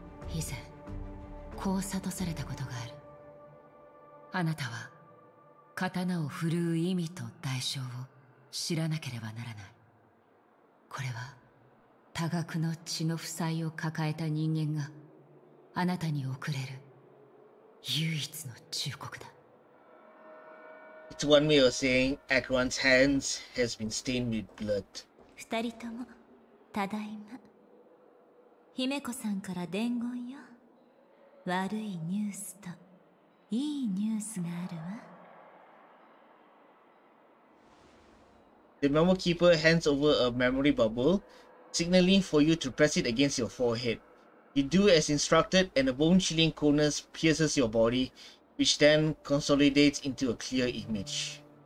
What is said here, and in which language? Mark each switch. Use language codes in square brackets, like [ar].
[ja] 以前こう悟されたことがある。あなたは刀を振るう意味と代償を知らなければならない。これは多額の血の負債を抱えた人間があなたに送れる唯一の忠告だ。 [en] It's one way of saying Akron's hands has been stained with blood. [ja] 二人とも、ただいま。姫子さんから伝言よ。悪いニュースと、いいニュースがあるわ。 [en] The memory keeper hands over a memory bubble, signaling for you to press it against your forehead. You do as instructed, and a bone-chilling coldness pierces your body, which then consolidates into a clear image.